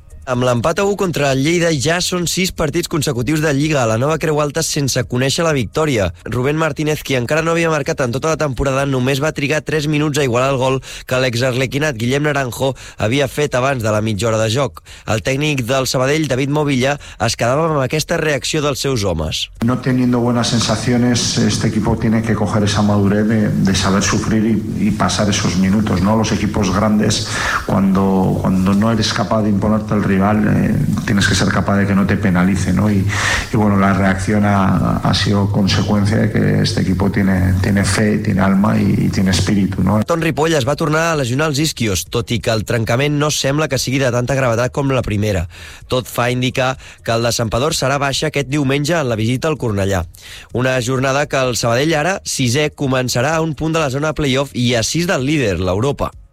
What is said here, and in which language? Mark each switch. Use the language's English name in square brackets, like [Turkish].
[Catalan] Amb l'empat a 1 contra el Lleida ja són 6 partits consecutius de Lliga a la nova Creu Alta sense conèixer la victòria. Rubén Martínez, qui encara no havia marcat en tota la temporada, només va trigar 3 minuts a igualar el gol que l'exarlequinat Guillem Naranjo havia fet abans de la mitja hora de joc. El tècnic del Sabadell, David Movilla, es quedava amb aquesta reacció dels seus homes. [Spanish] No teniendo buenas sensaciones, este equipo tiene que coger esa madurez de saber sufrir y pasar esos minutos, ¿no? Los equipos grandes, cuando no eres capaz de imponerte el rival, tienes que ser capaz de que no te penalice, ¿no? Y bueno, la reacción ha sido consecuencia de que este equipo tiene fe, tiene alma y tiene espíritu, ¿no? [Catalan] Ton Ripoll es va tornar a lesionar els isquios, tot i que el trencament no sembla que sigui de tanta gravetat com la primera. Tot fa indicar que el desempador serà baixa aquest diumenge en la visita al Cornellà. Una jornada que el Sabadell, ara sisè, començarà a un punt de la zona playoff i a 6 del líder, l'Europa.